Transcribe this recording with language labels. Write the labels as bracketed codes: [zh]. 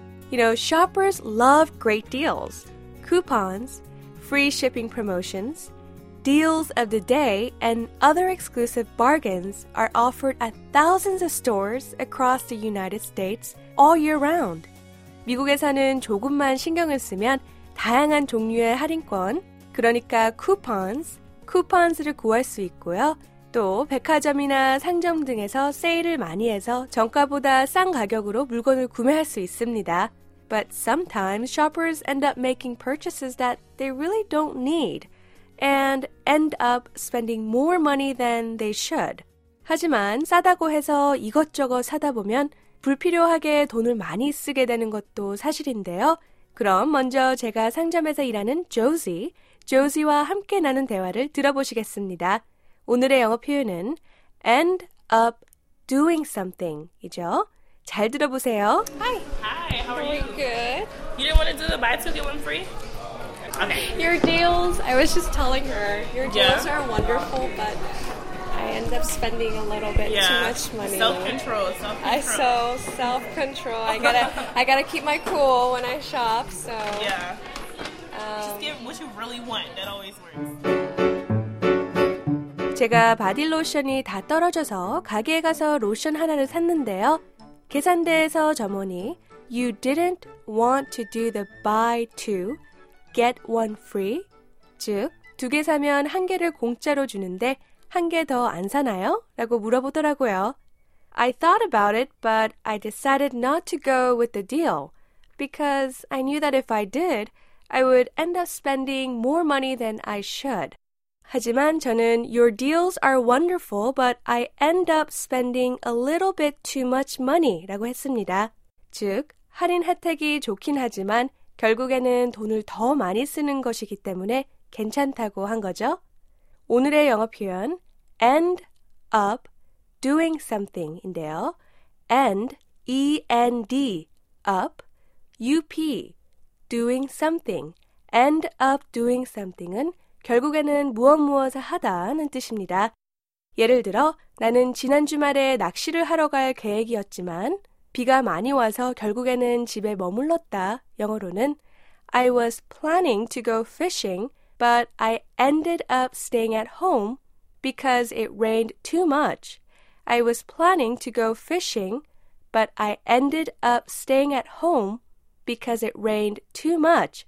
[en] You know, shoppers love great deals, coupons, free shipping promotions, deals of the day, and other exclusive bargains are offered at thousands of stores across the United States all year round. [ko] 미국에서는 조금만 신경을 쓰면 다양한 종류의 할인권, 그러니까 쿠폰스를 구할 수 있고요. 또 백화점이나 상점 등에서 세일을 많이 해서 정가보다 싼 가격으로 물건을 구매할 수 있습니다. [en] But sometimes shoppers end up making purchases that they really don't need and end up spending more money than they should. [ko] 하지만 싸다고 해서 이것저것 사다 보면 불필요하게 돈을 많이 쓰게 되는 것도 사실인데요. 그럼 먼저 제가 상점에서 일하는 Josie와 함께 나눈 대화를 들어보시겠습니다. 오늘의 영어 표현은 end up doing something이죠. 잘 들어보세요. [en] Hi. Hi, how are you? Good. You didn't want to do the buy two, get one free? Okay. Your deals, I was just telling her, your deals are wonderful, but I end up spending a little bit too much money. Self-control. I gotta keep my cool when I shop, so. Yeah. Just give what you really want. That always works. [ko] 제가 바디로션이 다 떨어져서 가게에 가서 로션 하나를 샀는데요. 계산대에서 점원이 [en] You didn't want to do the buy two, get one free. [ko] 즉, 두 개 사면 한 개를 공짜로 주는데 한 개 더 안 사나요? 라고 물어보더라고요. [en] I thought about it, but I decided not to go with the deal because I knew that if I did, I would end up spending more money than I should. [ko] 하지만 저는 [en] Your deals are wonderful, but I end up spending a little bit too much money [ko] 라고 했습니다. 즉, 할인 혜택이 좋긴 하지만 결국에는 돈을 더 많이 쓰는 것이기 때문에 괜찮다고 한 거죠. 오늘의 영어 표현 end up doing something 인데요. end, E-N-D, up, U-P, doing something, end up doing something은 결국에는 무엇무엇을 하다는 뜻입니다. 예를 들어, 나는 지난 주말에 낚시를 하러 갈 계획이었지만 비가 많이 와서 결국에는 집에 머물렀다. 영어로는 [en] I was planning to go fishing, but I ended up staying at home because it rained too much. I was planning to go fishing, but I ended up staying at home because it rained too much.